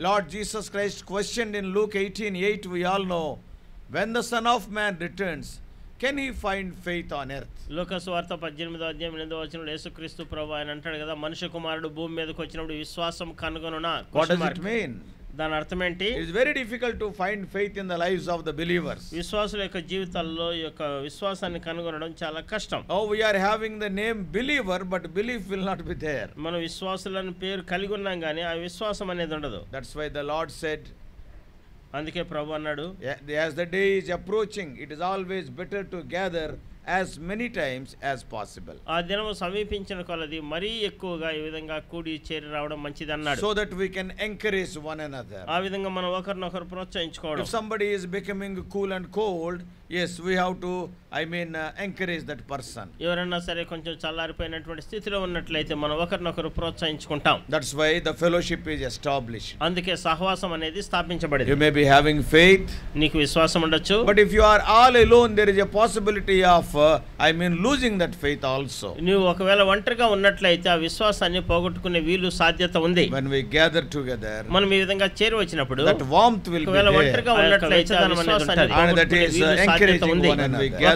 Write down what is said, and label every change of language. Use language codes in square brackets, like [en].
[en] Lord Jesus Christ questioned in Luke 18:8 we all know when the son of man returns can he find faith on earth. [te] లూకా సువార్త 18:8 యేసుక్రీస్తు ప్రభువు ఆయన అంటాడు కదా మనిషి కుమారుడు భూమి మీదకి వచ్చినప్పుడు విశ్వాసం కనుగొనునా. [en] What does it mean? [te] దాని అర్థం ఏంటి? [en] It is very difficult to find faith in the lives of the believers. [te] విశ్వాసుల యొక్క జీవితాల్లో ఈ యొక్క విశ్వాసాన్ని కనుగొనడం చాలా కష్టం. [en] Oh, we are having the name believer but belief will not be there. [te] మన విశ్వాసులని పేరు కలిగి ఉన్నాం గానీ ఆ విశ్వాసం అనేది ఉండదు. [en] That's why the Lord said [te] అందుకే ప్రభు అన్నాడు [en] As the day is approaching it is always better to gather as many times as possible. [te] ఆ దినము సమీపించిన కొలది మరీ ఎక్కువగా ఈ విధంగా కూడి చేరి రావడం మంచిది అన్నాడు. [en] So that we can encourage one another. [te] ఆ విధంగా మనం ఒకరినొకరు ప్రోత్సహించుకోవడం. [en] If somebody is becoming cool and cold yes we have to encourage that person. [te] ఎవరన్నా సరే కొంచెం చల్లారిపోయినటువంటి స్థితిలో ఉన్నట్లయితే మనం ఒకరినొకరు ప్రోత్సహించుకుంటాం. [en] That's why the fellowship is established. [te] అందుకే సహవాసం అనేది స్థాపించబడింది. [en] You may be having faith. [te] నీకు విశ్వాసం ఉండొచ్చు. [en] But if you are all alone there is a possibility of losing that faith also. [te] నీవు ఒకవేళ ఒంటరిగా ఉన్నట్లయితే ఆ విశ్వాసాన్ని పోగొట్టుకునే వీలు సాధ్యత ఉంది. [en] When we gather together [te] మనం ఈ విధంగా చేరి వచ్చినప్పుడు [en] that warmth will [te] ఒకవేళ ఒంటరిగా ఉన్నట్లయితే మన విశ్వాసాన్ని పోగొట్టుకునే